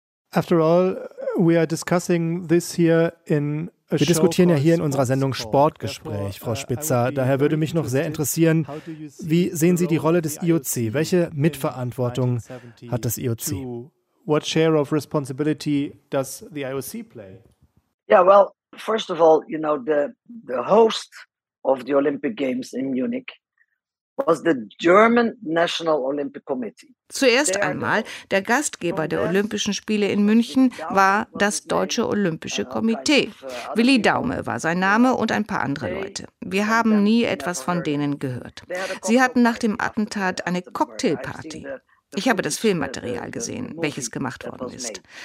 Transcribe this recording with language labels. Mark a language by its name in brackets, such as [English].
[English] After all, we are discussing this here in. [German] Wir diskutieren ja hier in unserer Sendung Sportgespräch, Frau Spitzer. Daher würde mich noch sehr interessieren, wie sehen Sie die Rolle des IOC? Welche Mitverantwortung hat das IOC? [English] What share of responsibility does the IOC play? Yeah, well, first of all, you know, the host of the Olympic Games in Munich was the German National Olympic Committee. [German] Zuerst einmal, der Gastgeber der Olympischen Spiele in München war das Deutsche Olympische Komitee. Willi Daume war sein Name und ein paar andere Leute. Wir haben nie etwas von denen gehört. Sie hatten nach dem Attentat eine Cocktailparty. Ich habe das Filmmaterial gesehen, welches gemacht worden ist.